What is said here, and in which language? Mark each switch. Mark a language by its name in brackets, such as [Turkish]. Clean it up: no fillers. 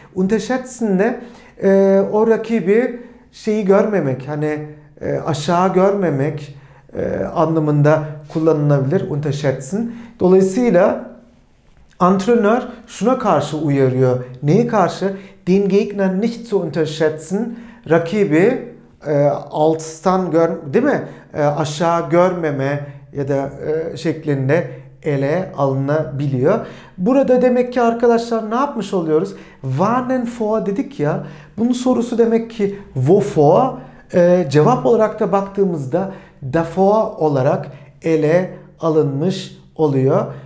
[Turkish] Unterschätzen ne? O rakibi şeyi görmemek, hani aşağı görmemek anlamında kullanılabilir unterschätzen. Dolayısıyla antrenör şuna karşı uyarıyor. Neye karşı? [German] Den Gegner nicht zu unterschätzen. [Turkish] Rakibi alttan gör, değil mi? Aşağı görmeme ya da şeklinde ele alınabiliyor. Burada demek ki arkadaşlar ne yapmış oluyoruz? Warnen vor dedik ja. Bunun sorusu demek ki wovor? Cevap olarak da baktığımızda davor olarak ele alınmış oluyor.